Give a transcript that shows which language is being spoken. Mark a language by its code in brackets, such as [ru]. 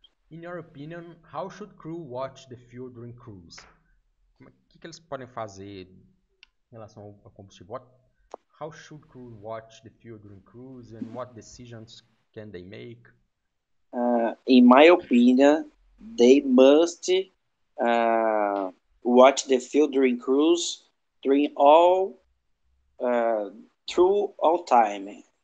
[en] In your opinion, how should crew watch the fuel during cruise? [pt] O que eles podem fazer em relação ao combustível? [en] How should crew watch the fuel during cruise and what decisions can they make? In my opinion, they must watch the fuel during cruise during all through all time.